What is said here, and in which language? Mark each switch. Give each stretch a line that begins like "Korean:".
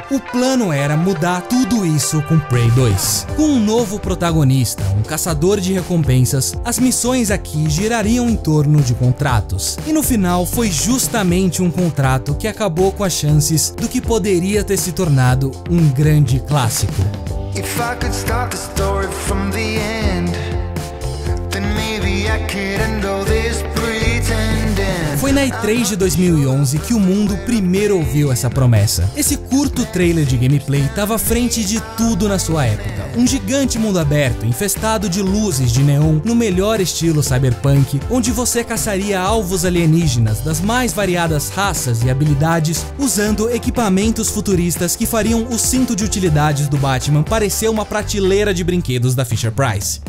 Portuguese: O plano era mudar tudo isso com Prey 2. Com um novo protagonista, um caçador de recompensas, as missões aqui girariam em torno de contratos. E no final foi justamente um contrato que acabou com as chances do que poderia ter se tornado um grande clássico.
English: If I could start the story from the end, then maybe I could end all this pretending.
Portuguese: Foi na E3 de 2011 que o mundo primeiro ouviu essa promessa. Esse curto trailer de gameplay estava à frente de tudo na sua época. Um gigante mundo aberto, infestado de luzes de neon, no melhor estilo cyberpunk, onde você caçaria alvos alienígenas das mais variadas raças e habilidades, usando equipamentos futuristas que fariam o cinto de utilidades do Batman parecer uma prateleira de brinquedos da Fisher-Price.